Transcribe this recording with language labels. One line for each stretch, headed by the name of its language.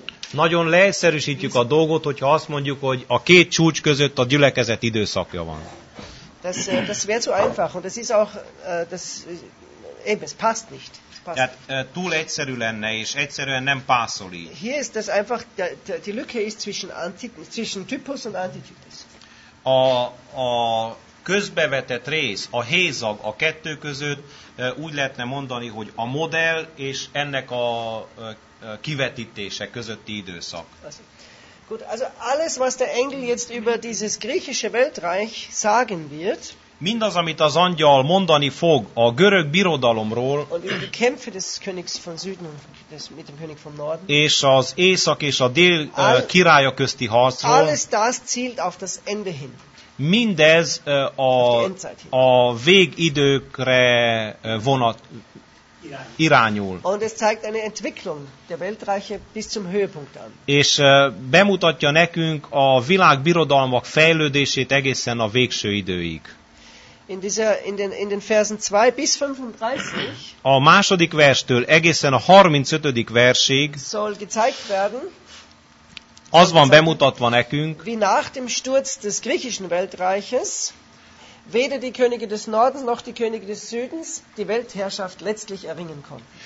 Hungarian: Nagyon leegyszerűsítjük a dolgot, hogyha azt mondjuk, hogy a két csúcs között a gyülekezet időszakja van.
German: Das wäre zu einfach und das ist auch das eben, es passt nicht.
Hungarian: Tehát túl egyszerű lenne, és egyszerűen nem pászol így.
German: Hier ist das einfach die Lücke ist zwischen Typus und Antitypus.
Hungarian: A közbevetett rész, a hézag a kettő között úgy lehetne mondani, hogy a modell és ennek a kivetítése közötti időszak.
German: Gut, also alles, was der Engel jetzt über dieses griechische Weltreich sagen wird,
Hungarian: mindaz, amit az angyal mondani fog a görög birodalomról,
German: und über die Kämpfe des Königs von Süden und mit dem König von Norden,
Hungarian: és az észak és a dél királya közti harcról,
German: alles das zielt auf das Ende hin.
Hungarian: Mindez a végidőkre vonat. Irányul.
German: Und es zeigt eine Entwicklung der Weltreiche bis zum Höhepunkt an.
Hungarian: És bemutatja nekünk a világ birodalmak fejlődését egészen a végső időig.
German: In den Versen 2 bis 35.
Hungarian: A második verstől egészen a 35. versig.
German: Soll gezeigt werden.
Hungarian: Az van bemutatva nekünk.
German: Wie nach dem Sturz des griechischen Weltreiches weder die Könige des Nordens noch die Könige des Südens die Weltherrschaft letztlich erringen konnten.